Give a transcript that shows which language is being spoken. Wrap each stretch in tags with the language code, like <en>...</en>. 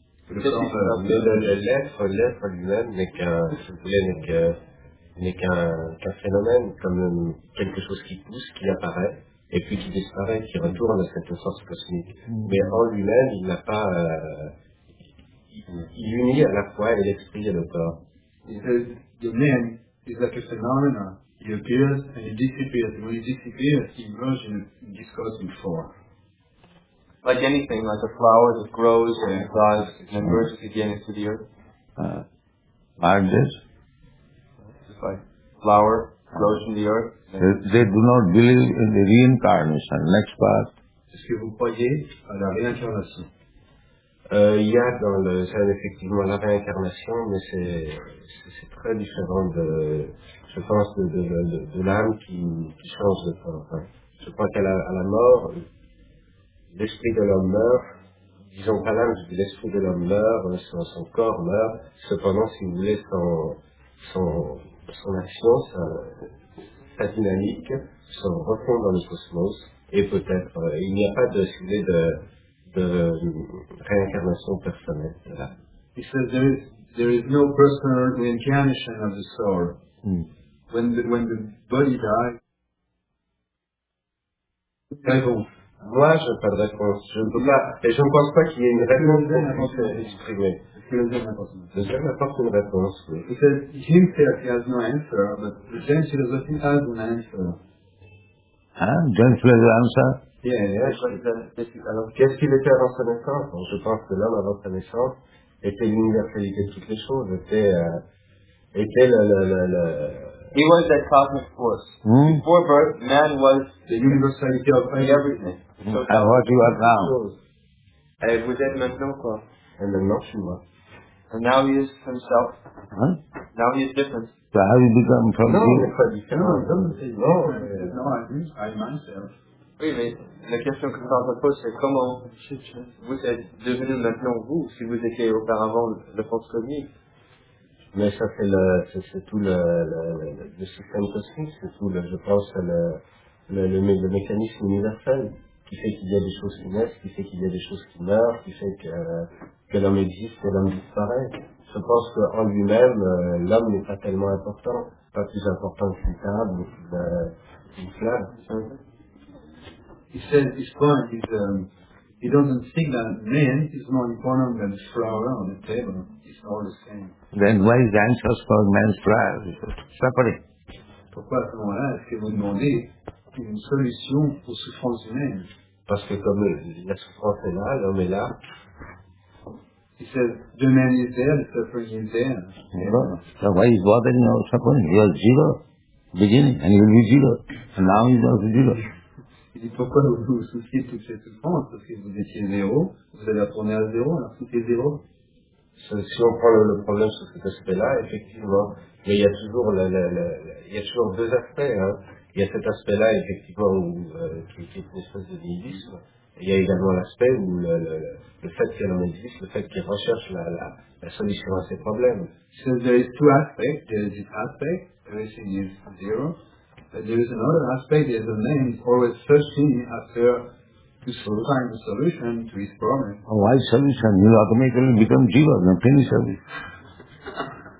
<fr>L'être lui-même n'est qu'un phénomène, comme quelque chose qui pousse, qui apparaît, et puis qui disparaît, qui retourne à cette force cosmique. Mm-hmm. Mais en lui-même, il n'a pas... Il unit à la fois l'esprit et le corps.</fr> <en>He says, the man is like a phenomenon. He appears and he disappears. When he disappears, he emerges in this cosmic form. Like anything, like a flower that grows and dies and emerges again into the earth. Oranges. Just like flower grows from the earth. They do not believe in the reincarnation. Next part.</en> <fr>Est-ce que vous croyez à la réincarnation? Il y a dans le ça effectivement la réincarnation, mais c'est très différent de, je pense, de l'âme qui change de corps. Hein. Je crois qu'à la mort, l'esprit de l'homme meurt, disons pas l'âme, mais l'esprit de l'homme meurt, son corps meurt, cependant, si vous voulez, son action, sa dynamique, son refond dans le cosmos, et peut-être, il n'y a pas de, si vous voulez, de réincarnation personnelle. Voilà.</fr> <en>He says there is no personal reincarnation of the soul. Mm. When the body dies,</en> <fr>moi, je n'ai pas de réponse. Je ne peux pas. Et je ne pense pas qu'il y ait une réponse pour puisse l'exprimer. Le Zen apporte une réponse, oui.</fr> <en>He says, himself, he has no answer, but the Zen philosophy has an answer. Zen philosophy answer? Yeah.</en> <fr>Alors, qu'est-ce qu'il était avant sa naissance? Je pense que l'homme, avant sa naissance, était l'universalité de toutes les choses, était le...</fr> <en>He was that cosmic force. Hmm? Before birth, man was the universality of everything. So, and what you are now? And with that</en> <fr>maintenant quoi?</fr> <en>And then not you are. And now he is himself. Huh? Now he is different. So how you become from no, you? No, I'm myself.</en> <fr>Oui, mais la question que je vous pose, c'est comment vous êtes devenu maintenant vous, si vous étiez auparavant le force cosmique? Mais ça c'est tout le système cosmique, c'est tout le, je pense, le mécanisme universel qui fait qu'il y a des choses qui naissent, qui fait qu'il y a des choses qui meurent, qui fait que l'homme existe et l'homme disparaît. Je pense qu'en lui-même, l'homme n'est pas tellement important, pas plus important qu'une table ou qu'une fleur.</fr> <en>He said this point is, he doesn't think that man is more important than the flower on the table. It's all the same. Then why is the answer for man's prayer? Separate.</en> <fr>Pourquoi à ce moment-là est-ce que vous demandez une solution aux souffrances humaines? Parce que comme la souffrance est là, l'homme est là.</fr> <en>He says, the man is there, the suffering is there. Yeah. So why is bothering or suffering? He was zero. Beginning, and he will be zero. And now he's also zero.</en> <fr>Il dit, pourquoi vous vous souciez de toutes ces souffrances? Parce que vous étiez zéro, vous allez retourner à zéro, alors tout est zéro. Si on prend le problème sur cet aspect-là, effectivement, mais il y a toujours il y a toujours deux aspects, hein. Il y a cet aspect-là, effectivement, où, qui est une espèce de nihilisme. Et il y a également l'aspect où le fait qu'il en existe, le fait qu'il recherche la solution à ses problèmes.</fr> <en>So there is two aspects. There is this aspect, everything is zero. But there is another aspect, there is a man who is always searching after to find a solution to his problem. Oh, why solution? You automatically become jiva, not finish of it.</en>